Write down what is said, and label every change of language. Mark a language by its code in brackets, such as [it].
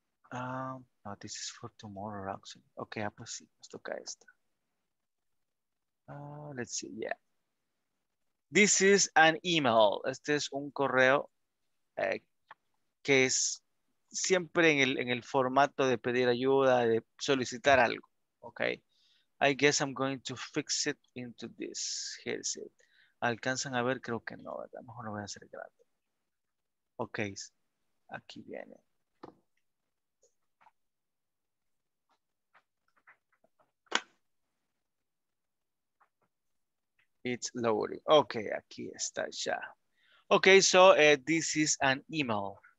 [en] No, this is for tomorrow, Roxanne. Ok, ah, [es] pues sí, nos toca esta. [en] Let's see, yeah. This is an email. [es] Este es un correo que es siempre en el formato de pedir ayuda, de solicitar algo. [en] Okay. I guess I'm going to fix it into this. Here's it. [es] ¿Alcanzan a ver? Creo que no, ¿verdad? A lo mejor lo voy a hacer grande. Ok. Aquí viene. [en] It's loading. Okay, [es] aquí está ya. [en] Okay, so this is an email.